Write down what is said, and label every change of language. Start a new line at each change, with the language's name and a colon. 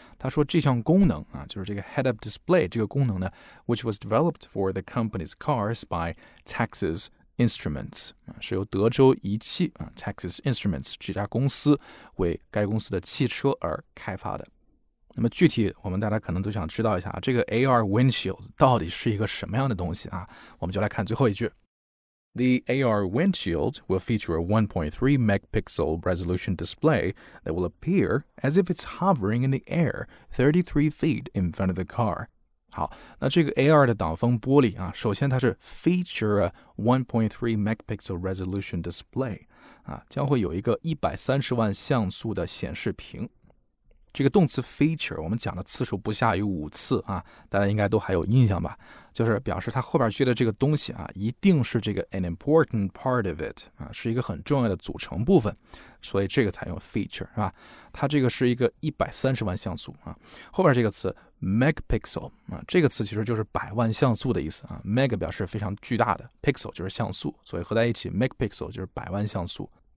Chinese: 他说这项功能啊，就是这个 head-up display 这个功能呢 ，
English: which was developed for the company's cars by Texas Instruments
Chinese: 啊，是由德州仪器啊 Texas Instruments 这家公司为该公司的汽车而开发的。那么具体我们大家可能都想知道一下这个 AR windshield 到底是一个什么样的东西啊，我们就来看最后一句。
English: The AR windshield will feature a 1.3 megapixel resolution display that will appear as if it's hovering in the air 33 feet in front of the car.
Chinese: 好，那这个 AR 的挡风玻璃啊，首先它是
English: feature a 1.3 megapixel resolution display,
Chinese: 啊，将会有一个130万像素的显示屏。这个动词 feature 我们讲的次数不下于五次啊，大家应该都还有印象吧，就是表示它后边接的这个东西啊一定是这个
English: an important part of it,
Chinese: 啊是一个很重要的组成部分，所以这个才用 feature, 是吧，它这个是一个130万像素啊，后边这个词 megapixel, 啊这个词其实就是百万像素的意思啊， mega 表示非常巨大的， pixel 就是像素，所以合在一起 megapixel 就是百万像素。